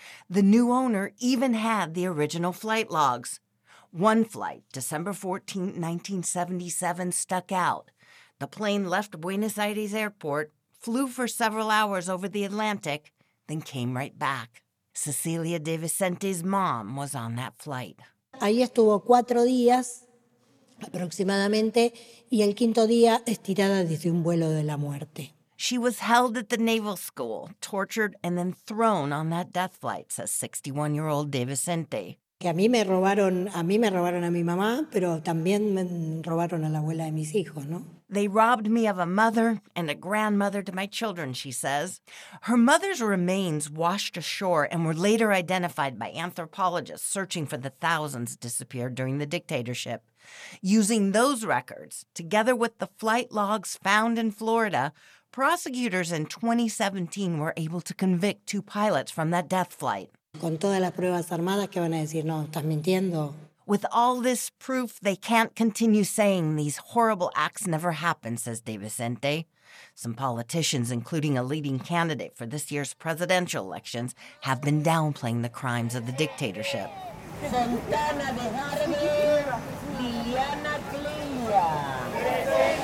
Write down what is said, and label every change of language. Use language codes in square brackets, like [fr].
[en] The new owner even had the original flight logs. One flight, December 14, 1977, stuck out. The plane left Buenos Aires Airport, flew for several hours over the Atlantic, then came right back. Cecilia De Vicente's mom was on that flight. [es] Ahí estuvo 4 días, aproximadamente, y el quinto día estirada desde un vuelo de la muerte. [en] She was held at the naval school, tortured, and then thrown on that death flight, says 61-year-old De Vicente. [es] Que a mí me robaron a mi mamá, pero también me robaron a la abuela de mis hijos, ¿no? [en] They robbed me of a mother and a grandmother to my children, she says. Her mother's remains washed ashore and were later identified by anthropologists searching for the thousands disappeared during the dictatorship. Using those records, together with the flight logs found in Florida, prosecutors in 2017 were able to convict 2 pilots from that death flight. [es] Con todas las pruebas armadas, ¿qué van a decir? No, estás mintiendo. [en] With all this proof, they can't continue saying these horrible acts never happened, says De Vicente. Some politicians, including a leading candidate for this year's presidential elections, have been downplaying the crimes of the dictatorship. Santana de Harvey, Liliana Clea.